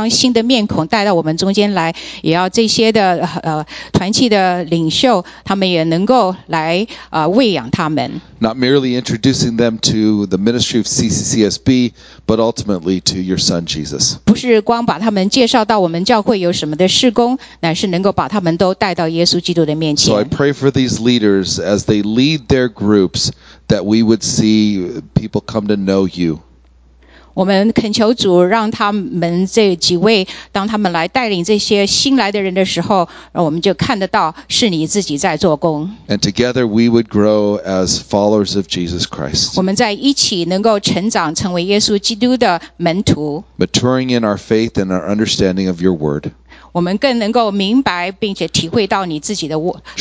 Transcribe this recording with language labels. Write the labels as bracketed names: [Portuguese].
[Chinese] 我们也恳求主在今年你不断地将新的面孔带到我们中间来, 也要这些的, 团契的领袖, 他们也能够来, 喂养他们。 [English] Not merely introducing them to the ministry of CCCSB, but ultimately to your Son, Jesus. [Chinese] 不是光把他们介绍到我们教会有什么的事工, 乃是能够把他们都带到耶稣基督的面前。 [English] So I pray for these leaders as they lead their groups, that we would see people come to know you. [Chinese] 我们恳求主让他们这几位当他们来带领这些新来的人的时候, 我们就看得到是你自己在做工。 [English] And together we would grow as followers of Jesus Christ. [Chinese] 我们在一起能够成长成为耶稣基督的门徒。 [English] Maturing in our faith and our understanding of your word. [Chinese] 我们更能够明白并且体会到你自己的话语。